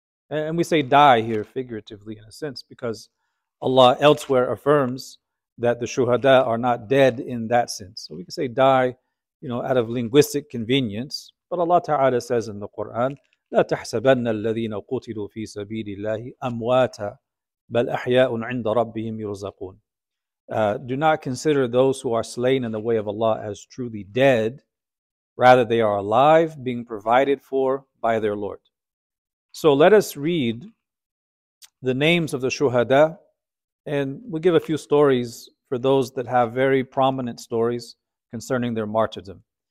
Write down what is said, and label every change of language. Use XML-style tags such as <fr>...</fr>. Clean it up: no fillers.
<en>And we say die here figuratively in a sense, because Allah elsewhere affirms that the shuhada are not dead in that sense. So we can say die, you know, out of linguistic convenience. But Allah Ta'ala says in the Quran,</en> <ar>لَا تَحْسَبَنَّ الَّذِينَ قُتِلُوا فِي سَبِيلِ اللَّهِ أَمْوَاتًا بَلْ أَحْيَاءٌ عِنْدَ رَبِّهِمْ يُرْزَقُونَ.</ar> <en>Do not consider those who are slain in the way of Allah as truly dead. Rather, they are alive, being provided for by their Lord. So let us read the names of the shuhada, and we'll give a few stories for those that have very prominent stories concerning their martyrdom.</en>